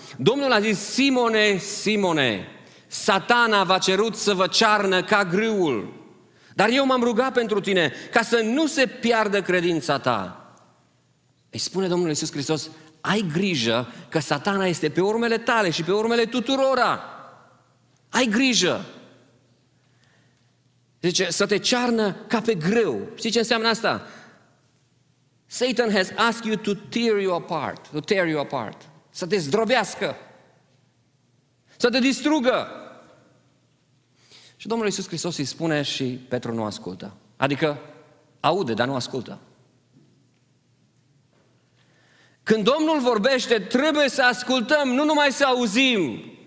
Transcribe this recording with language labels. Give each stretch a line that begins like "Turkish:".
Romanian: Domnul a zis: Simone, Simone, Satana v-a cerut să vă cearnă ca grâul, dar eu m-am rugat pentru tine ca să nu se piardă credința ta. Îi spune Domnul Iisus Hristos: ai grijă că Satana este pe urmele tale și pe urmele tuturora. Ai grijă. Zice, să te cearnă ca pe grâu. Știi ce înseamnă asta?
English: Satan has asked you to tear you apart, to tear you apart.
Romanian: Să te zdrobească, să te distrugă. Și Domnul Iisus Hristos îi spune și Petru nu ascultă. Adică aude, dar nu ascultă. Când Domnul vorbește, trebuie să ascultăm, nu numai să auzim.